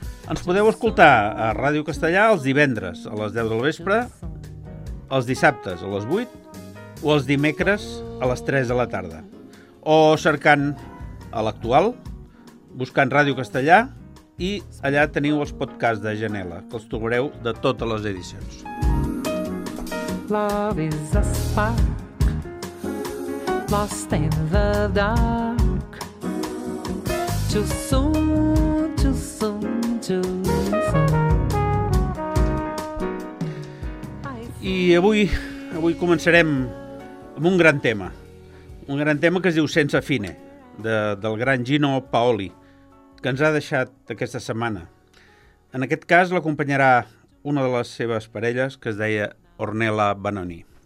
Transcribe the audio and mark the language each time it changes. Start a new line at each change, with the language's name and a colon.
Catalan: Ens podeu escoltar a Ràdio Castellà els divendres a les 10 del vespre, els dissabtes a les 8 o els dimecres a les 3 de la tarda. O cercant a l'actual, buscant Ràdio Castellà, i allà teniu els podcasts de Janela, que els trobareu de totes les edicions.
English: Love is a spark, lost in the dark, too soon, too soon, too soon.
Catalan: I avui començarem amb un gran tema que es diu Senza Fine, del gran Gino Paoli, que ens ha deixat aquesta setmana. En aquest cas l'acompanyarà una de les seves parelles, que es deia Ornella Banoni.